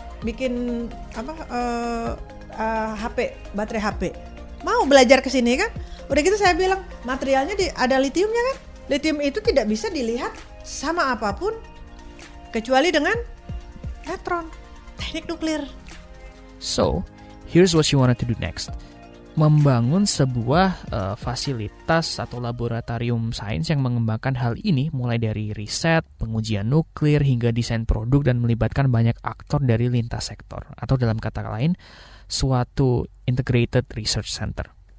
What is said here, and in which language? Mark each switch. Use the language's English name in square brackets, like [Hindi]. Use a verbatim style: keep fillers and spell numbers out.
[Indonesian] Bikin apa uh, uh, H P, baterai H P. Mau belajar ke sini kan?" Udah gitu saya bilang, "Materialnya di, ada litiumnya kan? Litium itu tidak bisa dilihat sama apapun kecuali dengan elektron, teknik nuklir." [English] So, here's what you wanted to do next. [Indonesian] Membangun sebuah uh, fasilitas atau laboratorium sains yang mengembangkan hal ini, mulai dari riset, pengujian nuklir, hingga desain produk, dan melibatkan banyak aktor dari lintas sektor. Atau dalam kata lain, suatu [English] integrated research center.